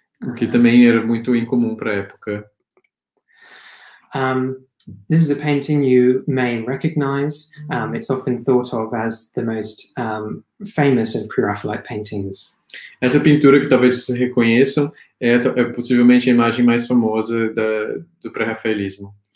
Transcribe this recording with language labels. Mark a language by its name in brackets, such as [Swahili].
[Portuguese] O que também era muito incomum para a época. [English] This is a painting you may recognize. It's often thought of as the most famous of Pre-Raphaelite paintings. [Portuguese] Essa pintura que talvez vocês reconheçam é possivelmente a imagem mais famosa do pré-rafaelismo.